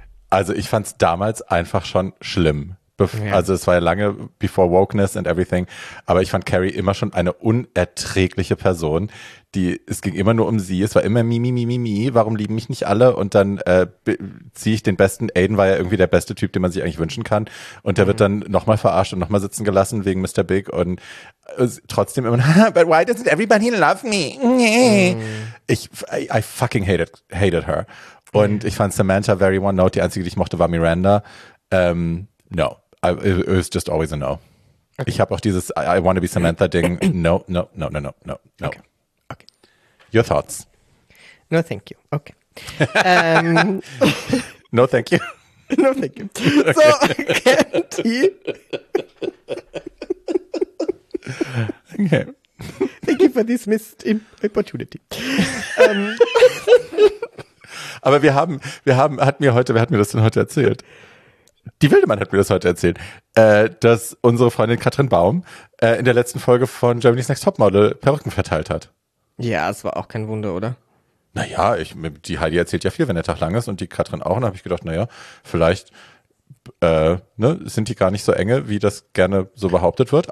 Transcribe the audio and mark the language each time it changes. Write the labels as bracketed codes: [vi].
[de] Also ich fand es damals einfach schon schlimm. Also es war ja lange before wokeness and everything, aber ich fand Carrie immer schon eine unerträgliche Person. Es ging immer nur um sie, es war immer mi, warum lieben mich nicht alle? Und dann ziehe ich den besten, Aiden war ja irgendwie der beste Typ, den man sich eigentlich wünschen kann. Und der wird dann nochmal verarscht und nochmal sitzen gelassen wegen Mr. [en] Big und trotzdem immer, but why doesn't everybody love me? I fucking hated her. [de] Und ich fand Samantha very one note, die einzige, die ich mochte, war Miranda. [en] No, it was just always a no. Okay. [de] Ich habe auch dieses I want to be Samantha- Ding. [en] No. Okay. Okay. Your thoughts? No, thank you. Okay. No, thank you. No, thank you. Okay. So, Candy. Okay. Thank you for this missed opportunity. [de] Aber wer hat mir das denn heute erzählt? Die Wildemann hat mir das heute erzählt, dass unsere Freundin Katrin Baum in der letzten Folge von Germany's Next Topmodel Perücken verteilt hat. Ja, es war auch kein Wunder, oder? Naja, die Heidi erzählt ja viel, wenn der Tag lang ist, und die Katrin auch. Und da habe ich gedacht, naja, vielleicht sind die gar nicht so enge, wie das gerne so behauptet wird.